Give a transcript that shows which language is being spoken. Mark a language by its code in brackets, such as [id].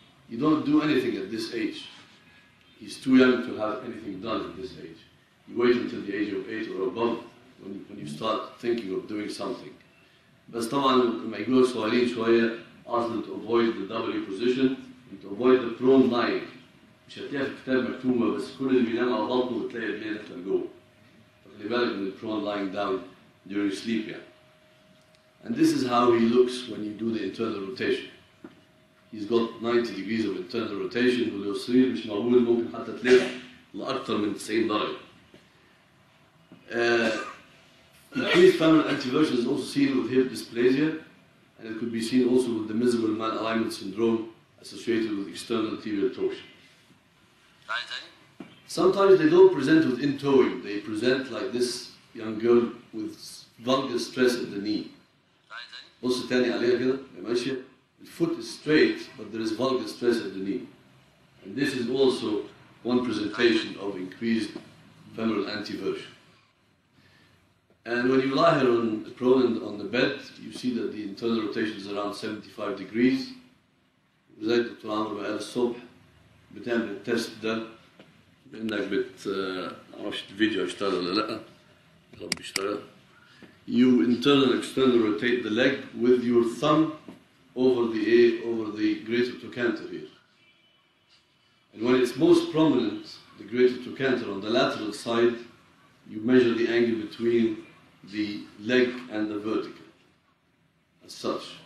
[en] You don't do anything at this age. He's too young to have anything done at this age. You wait until the age of 8 or above when you start thinking of doing something. But someone may ask them to avoid the W position and to avoid the prone lying. [ar] مش هتلاقيها في الكتاب مكتوبة بس كل اللي بينام على بطنه بتلاقي الليل في الجو. فخلي بالك من [en] prone lying down during sleep yeah. And this is how he looks when you do the internal rotation. He's got 90 degrees of internal rotation [ar] ولو سرير مش موجود ممكن حتى تلاقي لأكثر من 90 درجة. [en] Increased femoral antiversion is also seen with hip dysplasia, and it could be seen also with the miserable malalignment syndrome associated with external tibial torsion. Sometimes they don't present with in-toeing. They present like this young girl with vulgar stress at the knee. The foot is straight, but there is vulgar stress at the knee. And this is also one presentation of increased femoral antiversion. And when you lie here prone on the bed, you see that the internal rotation is around 75 degrees. [ar] زي دكتور عمرو قال الصبح بتعمل التست ده بانك معرفش الفيديو هيشتغل ولا لا يا رب يشتغل. [en] You internal and external rotate the leg with your thumb over the greater trochanter here. And when it's most prominent, the greater trochanter on the lateral side, you measure the angle between the leg and the vertical as such.